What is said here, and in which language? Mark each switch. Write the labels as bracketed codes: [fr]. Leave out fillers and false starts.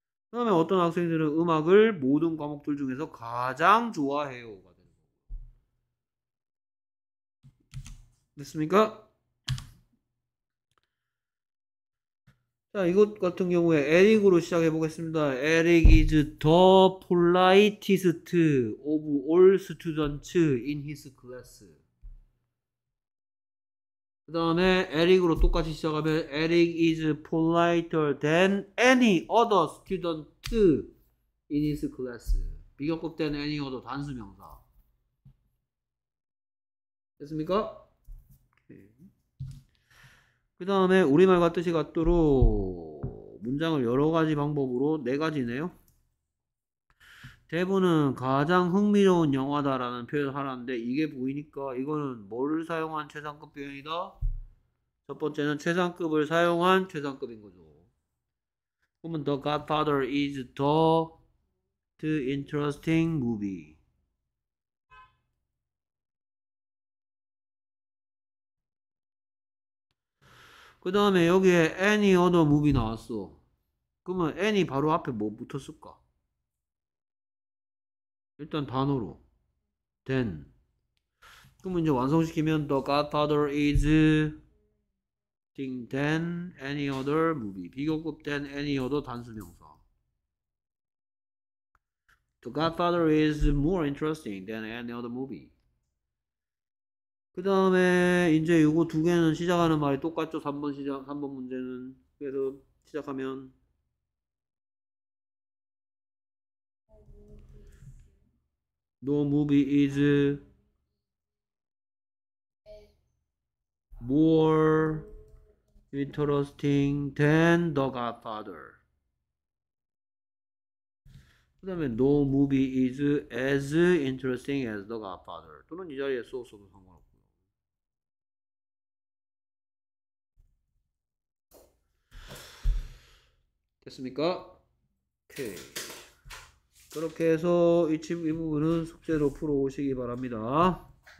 [ko] 그다음에 어떤 학생들은 음악을 모든 과목들 중에서 가장 좋아해요가 되는 거고요. 됐습니까? 자, 이것 같은 경우에 에릭으로 시작해 보겠습니다. [en] Eric is the politest of all students in his class. [ko] 그 다음에 에릭으로 똑같이 시작하면 [en] Eric is politer than any other student in his class. [ko] 비교급 된 [en] any other [ko] 단수 명사. 됐습니까? 그 다음에 우리말 같듯이 같도록 문장을 여러 가지 방법으로 네 가지네요. 대본은 가장 흥미로운 영화다라는 표현을 하는데 이게 보이니까 이거는 뭘 사용한 최상급 표현이다? 첫 번째는 최상급을 사용한 최상급인 거죠. 그러면 [en] The Godfather is the most interesting movie. [ko] 그 다음에 여기에 [en] any other movie [ko] 나왔어. 그러면 any 바로 앞에 뭐 붙었을까? 일단 단어로. [en] then. [ko] 그러면 이제 완성시키면 [en] The Godfather is than any other movie. [ko] 비교급 [en] than any other [ko] 단수 명사. [en] The Godfather is more interesting than any other movie. [ko] 그 다음에 이제 요거 두 개는 시작하는 말이 똑같죠. 3번 문제는. 그래서 시작하면 [en] No movie is more interesting than The Godfather. 그 다음에 No movie is as interesting as The Godfather. [ko] 또는 이 자리에 써서도 상관없어요. 됐습니까? 오케이. 그렇게 해서 이 부분은 숙제로 풀어 오시기 바랍니다.